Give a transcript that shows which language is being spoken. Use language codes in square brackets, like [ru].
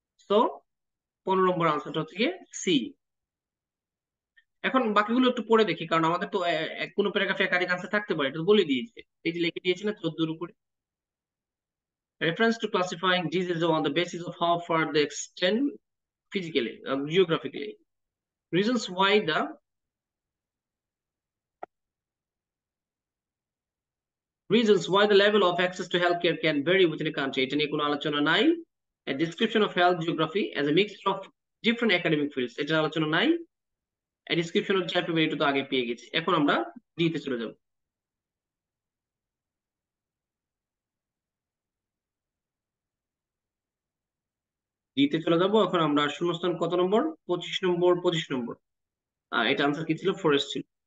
[bn] তো 15 নম্বর আনসারটা হচ্ছে গিয়ে সি। এখন বাকিগুলো একটু পড়ে দেখি, কারণ আমাদের তো কোনো প্যারাগ্রাফে একাধিক আনসার থাকতে পারে, এটা তো বলে দিয়েছে, এই যে লিখে দিয়েছে না 14-এর উপরে, [en] reference to classifying disease on the basis of how far the extend physically geographically reasons why the reasons why the level of access to health care can vary within a country, [bn] এটা নিয়ে কোনো আলোচনা নাই। [en] A description of health geography as a mixture of different academic fields. [bn] এটা আলোচনা নাই। [en] A description of chapter [bn] বেরিয়ে তো আগে পেয়ে গেছি। এখন আমরা ডিতে চলে যাব। ডিতে চলে যাব। এখন আমরা শূন্যস্থান কত নম্বর? 25 নম্বর, 25 নম্বর। এটা আনসার কি ছিল? ফরেস্ট ছিল।